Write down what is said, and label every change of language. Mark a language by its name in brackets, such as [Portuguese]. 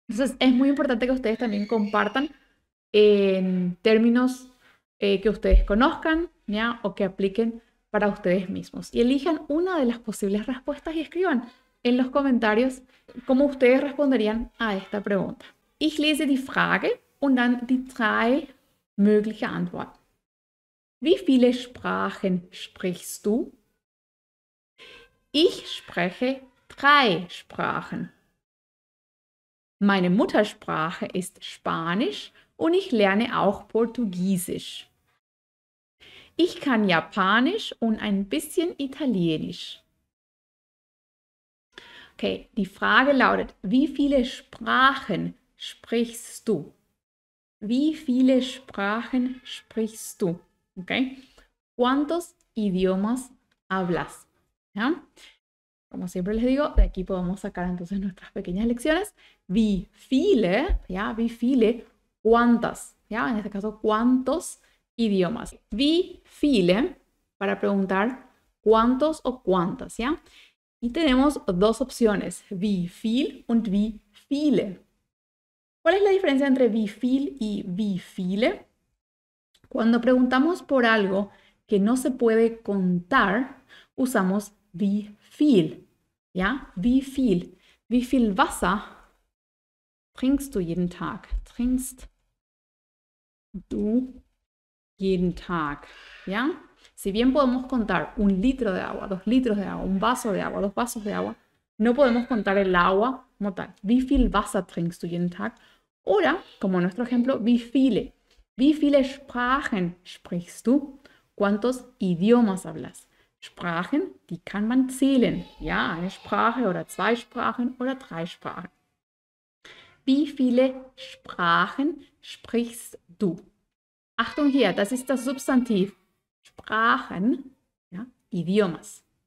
[Spanish] Entonces, es muy importante que ustedes también compartan términos que ustedes conozcan, ¿ya? O que apliquen para ustedes mismos. Y elijan una de las posibles respuestas y escriban en los comentarios cómo ustedes responderían a esta pregunta. [German] Ich lese die Frage und dann die drei mögliche Antworten. Wie viele Sprachen sprichst du? Ich spreche drei Sprachen. Meine Muttersprache ist Spanisch und ich lerne auch Portugiesisch. Ich kann Japanisch und ein bisschen Italienisch. Okay, die Frage lautet, wie viele Sprachen sprichst du? Wie viele Sprachen sprichst du? [Spanish] Okay, ¿cuántos idiomas hablas? ¿Ya? Como siempre les digo, de aquí podemos sacar entonces nuestras pequeñas lecciones. [German] Wie viele, ¿ya? Wie viele, [Spanish] ¿cuántas? ¿Ya? En este caso, ¿cuántos idiomas? [German] Wie viele, [Spanish] para preguntar cuántos o cuántas, ¿ya? Y tenemos dos opciones, [German] wie viel und wie viele. [Spanish] ¿Cuál es la diferencia entre wie viel y wie viele? Cuando preguntamos por algo que no se puede contar, usamos wie viel, ¿ya? [German] Wie viel Wasser trinkst du jeden Tag? Trinkst du jeden Tag, ¿ya? [Spanish] Si bien podemos contar un litro de agua, 2 litros de agua, un vaso de agua, 2 vasos de agua, no podemos contar el agua como tal. [German] Wie viel Wasser trinkst du jeden Tag? [Spanish] O, como nuestro ejemplo, [German] wie viele Sprachen sprichst du? [Spanish] ¿Cuántos idiomas hablas? [German] Sprachen, die kann man zählen. Ja, eine Sprache oder zwei Sprachen oder drei Sprachen. Wie viele Sprachen sprichst du? Achtung hier, das ist das Substantiv. Sprachen, ja, Idiomas.